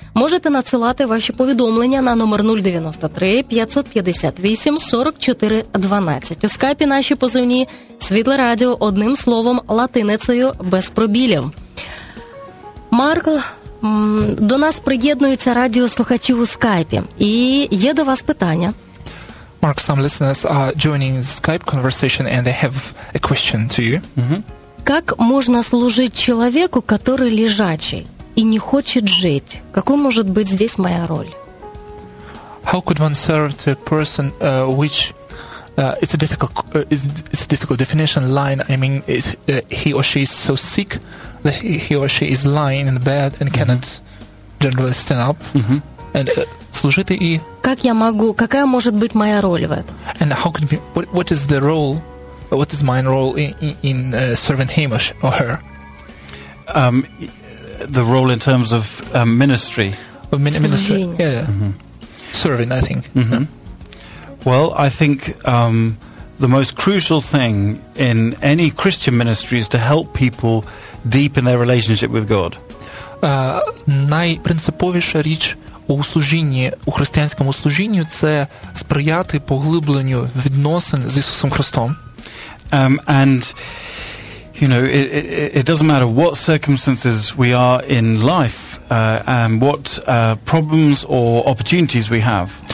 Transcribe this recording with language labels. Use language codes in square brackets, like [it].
[uk] Можете надсилати ваші повідомлення на номер 093-558-4412. У скайпі наші позивні «Світле радіо» одним словом латиницею без пробілів. Марк, до нас приєднуються радіослухачі у Скайпі. І є до вас питання. [en] Mark, some listeners are joining the Skype conversation and they have a question to you. [uk] Як можна служити чоловіку, який лежачий і не хоче жити? Яка може бути тут моя роль? [en] How could one serve to a person which it's a difficult definition line. I mean, is he or she is so sick that he or she is lying in bed and cannot generally stand up and [uk] служити і як я можу, яка може бути моя роль в цьому? [en] And how could be, what is the role, what is my role in serving him or her? The role in terms of ministry. Ministry. Yeah. Serving, I think. Well, I think the most crucial thing in any Christian ministry is to help people deepen their relationship with God. [uk] Найпринциповіша річ у служінні, у християнському служінні, це сприяти поглибленню відносин з Ісусом Христом. [en] And you know, it doesn't matter what circumstances we are in life, and what problems or opportunities we have.